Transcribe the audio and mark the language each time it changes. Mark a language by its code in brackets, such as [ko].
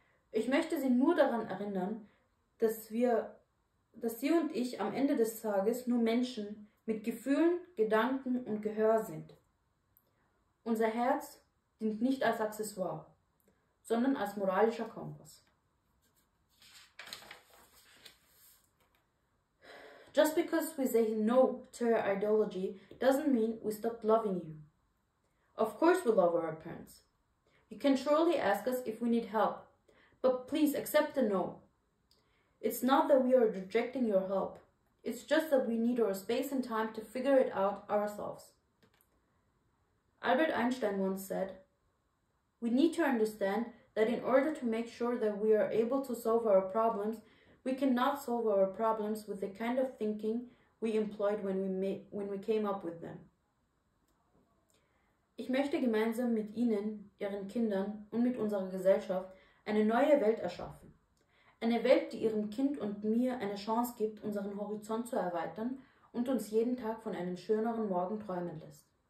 [de] Ich möchte sie nur daran erinnern, dass sie und ich am Ende des Tages nur Menschen mit Gefühlen, Gedanken und Gehör sind. Unser Herz dient nicht als Accessoire, sondern als moralischer Kompass. [en] Just because we say no to your ideology doesn't mean we stopped loving you. Of course we love our parents. You can surely ask us if we need help, but please accept the no. It's not that we are rejecting your help. It's just that we need our space and time to figure it out ourselves. Albert Einstein once said, "We need to understand that in order to make sure that we are able to solve our problems, we cannot solve our problems with the kind of thinking we employed when we came up with them." [de] Ich möchte gemeinsam mit Ihnen, Ihren Kindern und mit unserer Gesellschaft eine neue Welt erschaffen. Eine Welt, die Ihrem Kind und mir eine Chance gibt, unseren Horizont zu erweitern und uns jeden Tag von einem schöneren Morgen träumen lässt.